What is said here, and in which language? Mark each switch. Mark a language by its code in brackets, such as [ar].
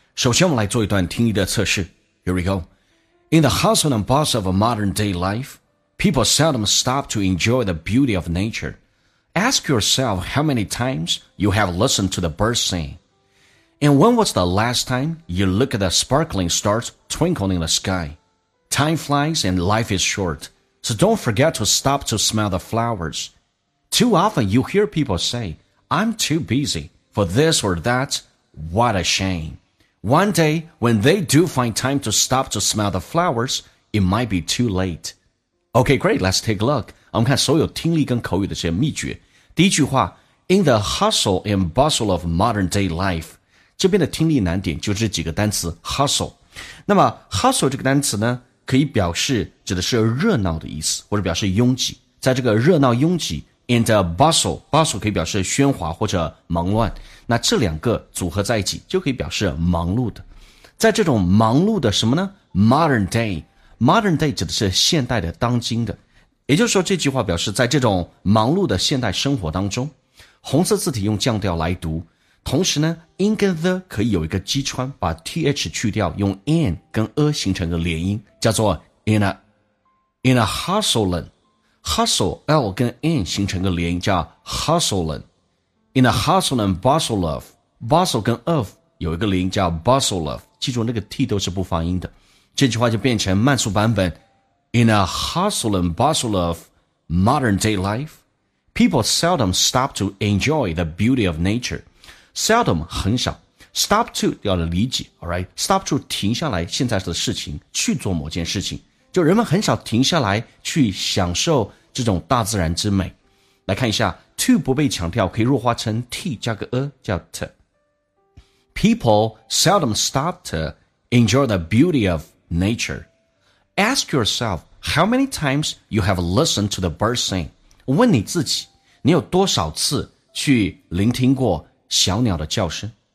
[zh] 首先我们来做一段听力的测试。 [en] Here we go. In the hustle and bustle of a modern day life, people seldom stop to enjoy the beauty of nature. Ask yourself how many times you have listened to the birds sing. And when was the last time you looked at the sparkling stars twinkling in the sky? Time flies and life is short, so don't forget to stop to smell the flowers. Too often you hear people say,I'm too busy for this or that. What a shame. One day, when they do find time to stop to smell the flowers, it might be too late. Okay, great. Let's take a look. [zh] 我们看所有听力跟口语的这些秘诀。第一句话 [en] In the hustle and bustle of modern day life. [zh] 这边的听力难点就是几个单词 hustle. 那么 hustle 这个单词呢可以表示指的是热闹的意思或者表示拥挤。在这个热闹拥挤 [en] And a bustle, bustle [zh] 可以表示喧哗或者忙乱。那这两个组合在一起就可以表示忙碌的。在这种忙碌的什么呢 ? [en] modern day。modern day [zh] 指的是现代的当今的。也就是说这句话表示在这种忙碌的现代生活当中。红色字体用降调来读。同时呢 ,in 跟 the 可以有一个击穿把 th 去掉用 in 跟 a 形成个连音叫做 [en] in a hustling。 [zh] Hustle, L 跟 N 形成个连音叫 hustling. [en] In a hustle and bustle of, bustle 跟 of [zh] 有一个连音叫 [en] bustle of. [zh] 记住那个 T 都是不发音的。这句话就变成慢速版本。 [en] In a hustle and bustle of modern day life, people seldom stop to enjoy the beauty of nature. Seldom [zh] 很少。 [en] Stop to [zh] 要理解 [en] ,alright? Stop to [zh] 停下来现在的事情去做某件事情。就人们很少停下来去享受这种大自然之美。来看一下 to 不被强调可以弱化成 t 加个 a 叫 t。 [en] People seldom stop to enjoy the beauty of nature. Ask yourself how many times you have listened to the birds sing. [zh] 问你自己你有多少次去聆听过小鸟的叫声。